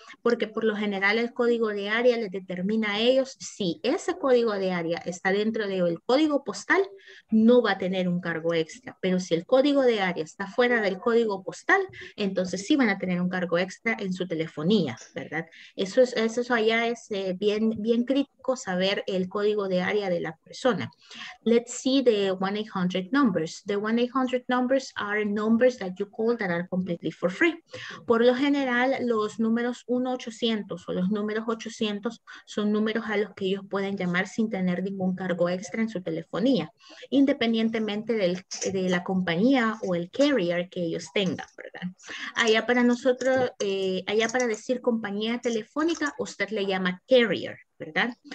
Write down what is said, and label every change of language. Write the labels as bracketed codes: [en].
[es] Porque por lo general el código de área les determina a ellos si ese código de área está dentro del código postal, no va a tener un cargo extra. Pero si el código de área está fuera del código postal, entonces sí van a tener un cargo extra en su telefonía, ¿verdad? Eso allá es bien crítico saber el código de área de la persona. [en] Let's see the 1-800 numbers. The 1-800 numbers are numbers that you call that are completely for free. [es] Por lo general, los números 1-800 o los números 800 son números a los que ellos pueden llamar sin tener ningún cargo extra en su telefonía, independientemente de la compañía o el carrier que ellos tengan, ¿verdad? Allá para nosotros, allá para decir compañía telefónica, usted le llama carrier, ¿verdad?